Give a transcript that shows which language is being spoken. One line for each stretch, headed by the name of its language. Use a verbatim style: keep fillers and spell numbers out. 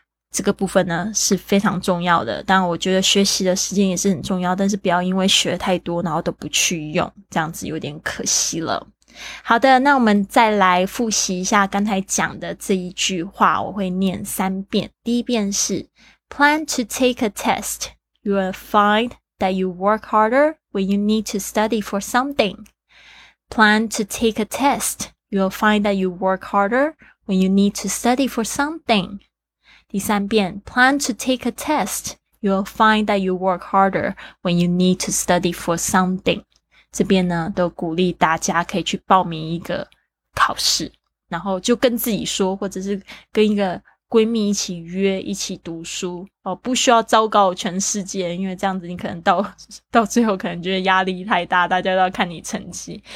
Chinese: 这个部分呢是非常重要的，当然我觉得学习的时间也是很重要，但是不要因为学太多然后都不去用，这样子有点可惜了。好的，那我们再来复习一下刚才讲的这一句话，我会念三遍。
English: 第一遍是 Plan to take a test. You will find that you work harder when you need to study for something. Plan to take a test. You will find that you work harder when you need to study for something. 第三遍 plan to take a test. You'll find that you work harder when you need to study for something.
Chinese: 这边呢，都鼓励大家可以去报名一个考试，然后就跟自己说，或者是跟一个闺蜜一起约，一起读书哦，不需要昭告全世界，因为这样子你可能到到最后可能觉得压力太大，大家都要看你成绩。